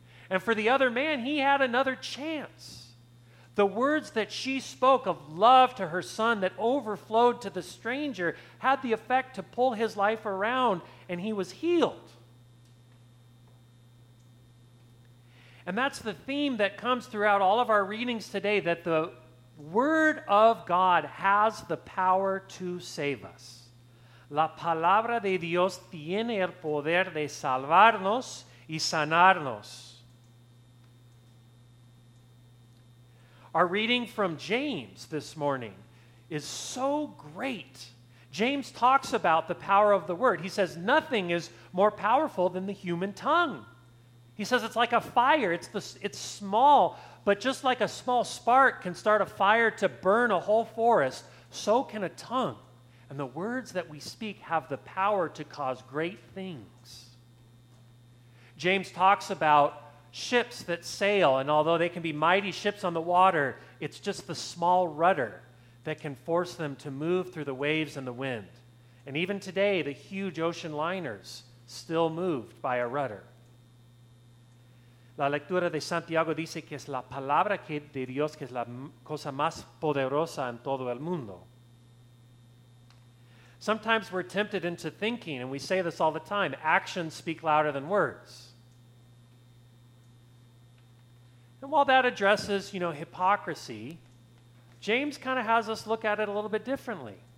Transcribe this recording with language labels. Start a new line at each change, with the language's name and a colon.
English: And for the other man, he had another chance. The words that she spoke of love to her son that overflowed to the stranger had the effect to pull his life around, and he was healed. And that's the theme that comes throughout all of our readings today, that the Word of God has the power to save us.
Spanish: La palabra de Dios tiene el poder de salvarnos y sanarnos.
English: Our reading from James this morning is so great. James talks about the power of the word. He says nothing is more powerful than the human tongue. He says it's like a fire. It's small, but just like a small spark can start a fire to burn a whole forest, so can a tongue. And the words that we speak have the power to cause great things. James talks about ships that sail, and although they can be mighty ships on the water, it's just the small rudder that can force them to move through the waves and the wind. And even today, the huge ocean liners still moved by a rudder.
Spanish: La lectura de Santiago dice que es la palabra que de Dios que es la cosa más poderosa en todo el mundo.
English: Sometimes we're tempted into thinking, and we say this all the time, actions speak louder than words. And while that addresses, you know, hypocrisy, James kind of has us look at it a little bit differently.